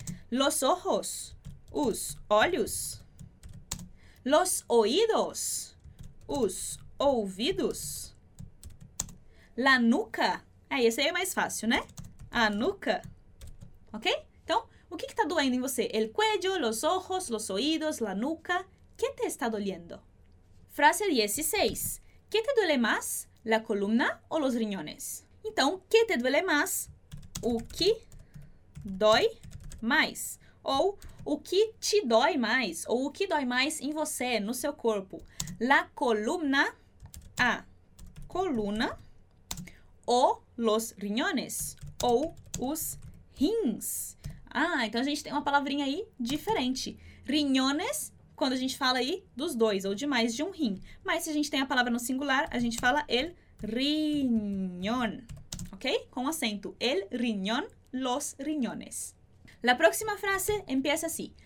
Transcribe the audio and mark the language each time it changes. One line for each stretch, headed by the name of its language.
Spanish: Los ojos,
Portuguese: os olhos.
Spanish: Los oídos,
Portuguese: os ouvidos.
Spanish: La nuca,
Portuguese: esse aí é mais fácil, né? A nuca, ok? Então, o que está doendo em você?
Spanish: El cuello, los ojos, los oídos, la nuca. ¿Qué te está doliendo? Frase 16. ¿Qué te duele más, la columna o los riñones?
Portuguese: Então,
Spanish: ¿qué te duele más?
Portuguese: O que dói mais? Ou o que te dói mais? Ou o que dói mais em você, no seu corpo?
Spanish: La columna,
Portuguese: a coluna.
Spanish: O los riñones,
Portuguese: ou os rins. Ah, então a gente tem uma palavrinha aí diferente. Riñones, quando a gente fala aí dos dois, ou de mais de um rim. Mas se a gente tem a palavra no singular, a gente fala el riñón, ok? Com acento,
Spanish: el riñón, los riñones. La próxima frase empieza así.